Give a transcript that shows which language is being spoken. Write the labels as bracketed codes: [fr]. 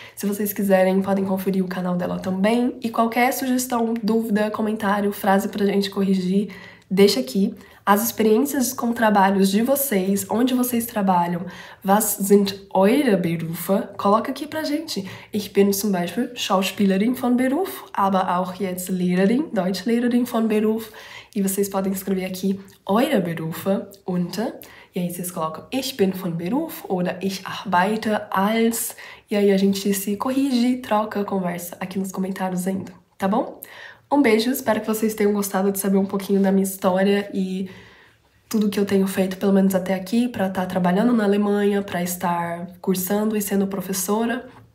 [pt] Se vocês quiserem, podem conferir o canal dela também. E qualquer sugestão, dúvida, comentário, frase pra gente corrigir, deixa aqui. As experiências com trabalhos de vocês, onde vocês trabalham, [de] was sind eure Berufe, [pt] coloca aqui pra gente. [de] Ich bin zum Beispiel Schauspielerin von Beruf, aber auch jetzt Lehrerin, Deutschlehrerin von Beruf. [pt] E vocês podem escrever aqui [de] eure Berufe unter. E [pt] E aí vocês colocam [de] Ich bin von Beruf [pt] oder [de] Ich arbeite als. [pt] E aí a gente se corrige, troca, conversa aqui nos comentários ainda, tá bom? Um beijo, espero que vocês tenham gostado de saber um pouquinho da minha história e tudo que eu tenho feito, pelo menos até aqui, para estar trabalhando na Alemanha, para estar cursando e sendo professora.